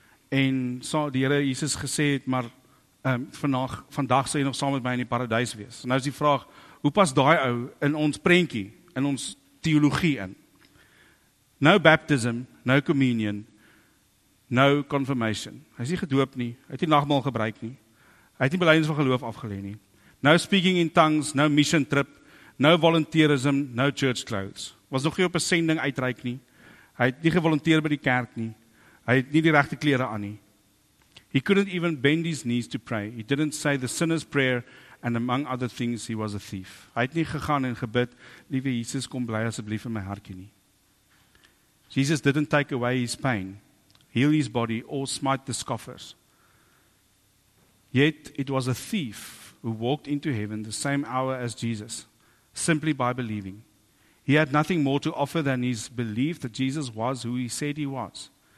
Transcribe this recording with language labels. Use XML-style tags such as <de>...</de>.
<af>En so die Here Jesus gesê het, maar vandag sal jy nog saam met my in die paradys wees. Nou is die vraag, hoe pas daai ou in ons prentjie, in ons teologie in?</af> <en>No baptism, no communion, no confirmation.</en> <af>Hy is nie gedoop nie, hy het nie nagmaal gebruik nie, hy het nie belydenis van geloof afgelê nie.</af> <en>No speaking in tongues, no mission trip, no volunteerism, no church clothes.</en> <af>Was nog nie op 'n sending uitreik nie, hy het nie gevolunteer by die kerk nie, hy het nie die regte klere aan nie.</af> <en>He couldn't even bend his knees to pray. He didn't say the sinner's prayer, and among other things, he was a thief.</en> <af>Hy het nie gegaan en gebid, liewe Jesus, kom bly asseblief in my hartjie nie.</af> <en>Jesus didn't take away his pain, heal his body, or smite the scoffers. Yet it was a thief who walked into heaven the same hour as Jesus, simply by believing. He had nothing more to offer than his belief that Jesus was who he said he was.</en>